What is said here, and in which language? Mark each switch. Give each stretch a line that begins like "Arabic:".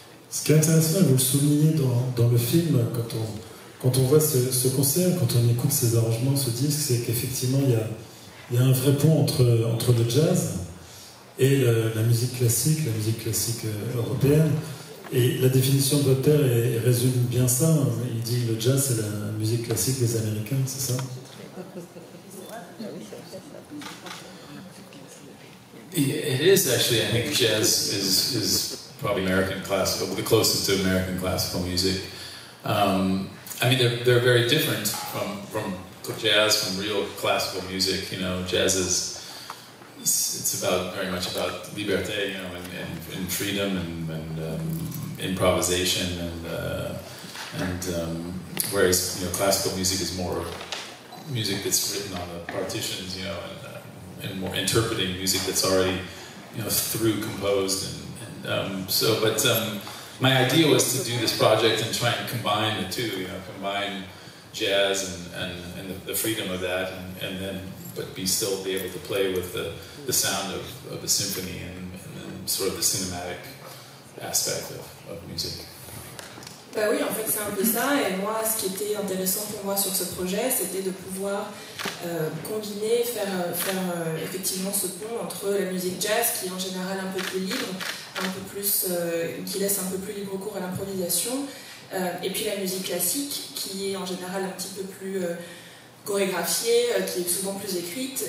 French: Ce qui est intéressant, vous le soulignez dans le film, quand on voit ce concert, quand on écoute ces arrangements, ce disque, c'est qu'effectivement, il y a un vrai pont entre le jazz et la musique classique européenne. Et la définition de votre père résume bien ça. Il dit que le jazz, c'est la musique classique des Américains, c'est ça?
English: It is actually, I think jazz is probably American classical, the closest to American classical music. I mean, they're very different from jazz, from real classical music. You know, jazz is, it's about very much about liberté, you know, and freedom and improvisation and whereas, you know, classical music is more music that's written on the partitions, you know, and more interpreting music that's already, you know, through composed and my idea was to do this project and try and combine the two, you know, combine jazz and the freedom of that and then be still be able to play with the sound of the symphony and then sort of the cinematic aspect of music.
French: Bah oui, en fait, c'est un peu ça. Et moi, ce qui était intéressant pour moi sur ce projet, c'était de pouvoir combiner, faire effectivement ce pont entre la musique jazz, qui est en général un peu plus libre, un peu plus, qui laisse un peu plus libre cours à l'improvisation, et puis la musique classique, qui est en général un petit peu plus chorégraphiée, qui est souvent plus écrite.